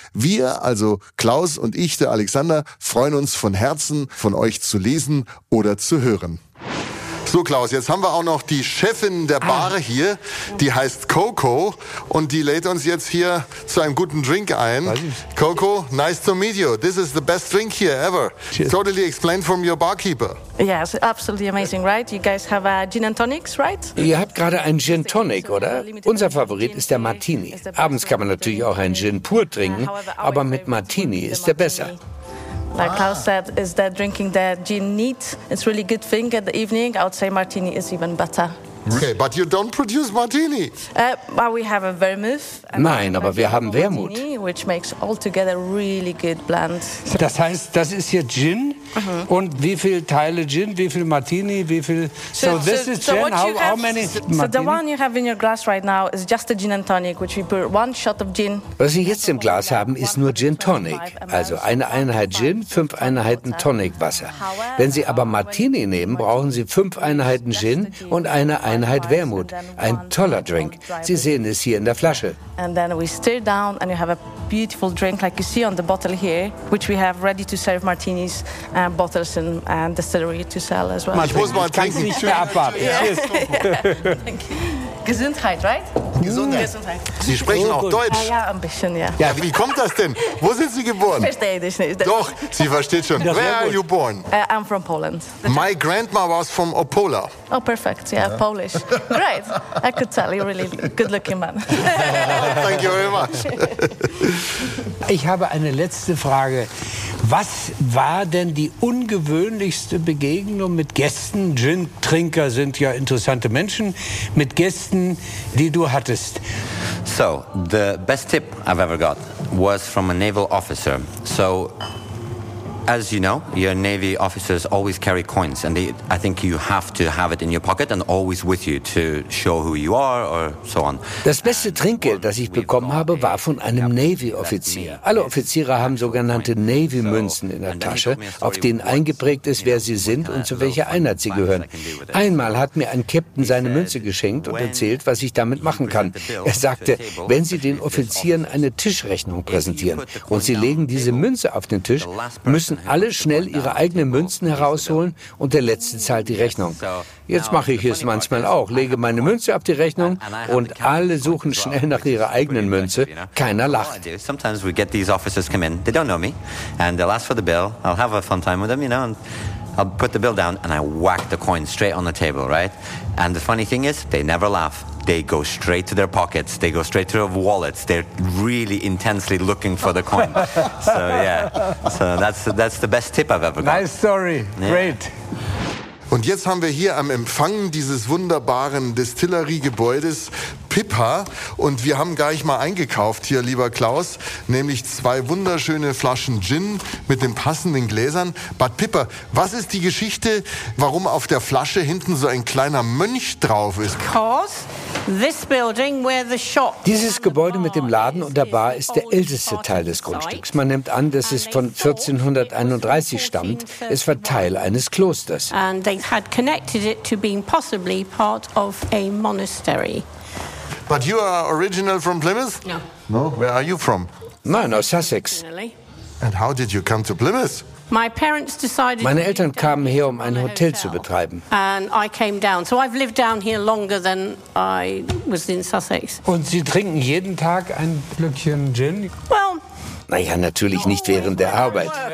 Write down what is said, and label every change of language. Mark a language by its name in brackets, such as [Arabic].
[German] Wir, also Klaus und ich, der Alexander, freuen uns von Herzen, von euch zu lesen oder zu hören. So, Klaus, jetzt haben wir auch noch die Chefin der Bar hier. Die heißt Coco und die lädt uns jetzt hier zu einem guten Drink ein. [English] Coco, nice to meet you. This is the best drink here ever. Cheers. Totally explained from your barkeeper. Yes, absolutely amazing, right? You guys have a gin and tonics, right? [German] Ihr habt gerade einen Gin Tonic, oder? Unser Favorit ist der Martini. Abends kann man natürlich auch einen Gin pur trinken, aber mit Martini ist der besser. [English] Like Klaus said, is that drinking the gin neat? It's really good thing at the evening. I would say martini is even better. Okay, but you don't produce martini. But we have a vermouth. [German] Nein, aber wir haben Wermut. [English] Which makes altogether really good blend. [German] Das heißt, das ist hier Gin. Uh-huh. Und wie viele Teile Gin, wie viel Martini, wie viel... [English] So the one you have in your glass right now is just a gin and tonic, which we put one shot of gin. [German] Was Sie jetzt im Glas haben, ist nur Gin Tonic. Also eine Einheit Gin, fünf Einheiten Tonic Wasser. Wenn Sie aber Martini nehmen, brauchen Sie fünf Einheiten Gin und eine Einheit Wermut. Ein toller Drink. Sie sehen es hier in der Flasche. [English] And then we stir down and you have a beautiful drink like you see on the bottle here, which we have ready to serve martinis and bottles and distillery to sell as well. [German] Ich muss mal trinken. Ich kann es nicht mehr abwarten. [English] Cheers. [German] Gesundheit, [English] right? [German] Gesundheit. Sie sprechen auch Deutsch. Ja, ein bisschen, ja. Ja, wie kommt das denn? Wo sind Sie geboren? Ich verstehe dich nicht. Doch, sie versteht schon. [English] Where are you born? I'm from Poland. My grandma was from Opola. Oh, perfect. Yeah, Polish. Right. I could tell you're really good-looking man. Thank you very much. [German] Ich habe eine letzte Frage. Was war denn die ungewöhnlichste Begegnung mit Gästen? Gin-Trinker sind ja interessante Menschen. Mit Gästen, die du hattest. [English] So, the best tip I've ever got was from a naval officer. So, as you know, your Navy officers always carry coins. And I think you have to have it in your pocket and always with you to show who you are or so on. [German] Das beste Trinkgeld, das ich bekommen habe, war von einem Navy-Offizier. Alle Offiziere haben sogenannte Navy-Münzen in der Tasche, auf denen eingeprägt ist, wer sie sind und zu welcher Einheit sie gehören. Einmal hat mir ein Captain seine Münze geschenkt und erzählt, was ich damit machen kann. Er sagte, wenn Sie den Offizieren eine Tischrechnung präsentieren und sie legen diese Münze auf den Tisch, müssen alle schnell ihre eigenen Münzen herausholen und der Letzte zahlt die Rechnung. Jetzt mache ich es manchmal auch, lege meine Münze auf die Rechnung und alle suchen schnell nach ihrer eigenen Münze. Keiner lacht. [English] Sometimes we get these officers come in, they don't know me, and they'll ask for the bill. I'll have a fun time with them, you know, and I'll put the bill down and I whack the coin straight on the table, right? And the funny thing is, they never laugh. They go straight to their pockets. They go straight to their wallets. They're really intensely looking for the coin. So, yeah. So that's the best tip I've ever got. Nice story. Yeah. Great. [German] Und jetzt haben wir hier am Empfang dieses wunderbaren Distillerie-Gebäudes Pippa. Und wir haben gar nicht mal eingekauft hier, lieber Klaus, nämlich zwei wunderschöne Flaschen Gin mit den passenden Gläsern. Bad Pippa, was ist die Geschichte, warum auf der Flasche hinten so ein kleiner Mönch drauf ist? [English] Because this building where the shop... [German] Dieses Gebäude mit dem Laden und der Bar ist der älteste Teil des Grundstücks. Man nimmt an, dass es von 1431 stammt. Es war Teil eines Klosters. [English] And they had connected it to being possibly part of a monastery. But you are original from Plymouth? No. No? Where are you from? No, Sussex. And how did you come to Plymouth? My parents decided... [German] Meine Eltern kamen hier, um ein Hotel zu betreiben. [English] And I came down. So I've lived down here longer than I was in Sussex. [German] Und Sie trinken jeden Tag ein Glöckchen Gin? [English] Well... [German] Naja, natürlich nicht während der Arbeit.